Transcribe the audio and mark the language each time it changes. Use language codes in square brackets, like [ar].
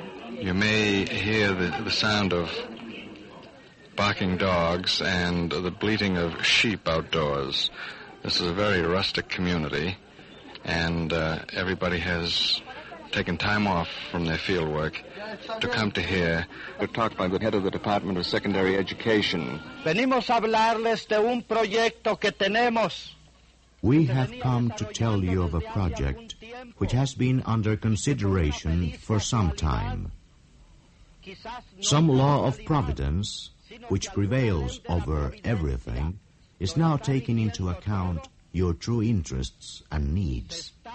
[en] You may hear the sound of barking dogs and the bleating of sheep outdoors. This is a very rustic community, and everybody has taken time off from their field work to come to hear a talk by the head of the Department of Secondary Education. [es] Venimos a hablarles de un proyecto que tenemos. [en] We have come to tell you of a project which has been under consideration for some time. Some law of providence, which prevails over everything, is now taking into account your true interests and needs.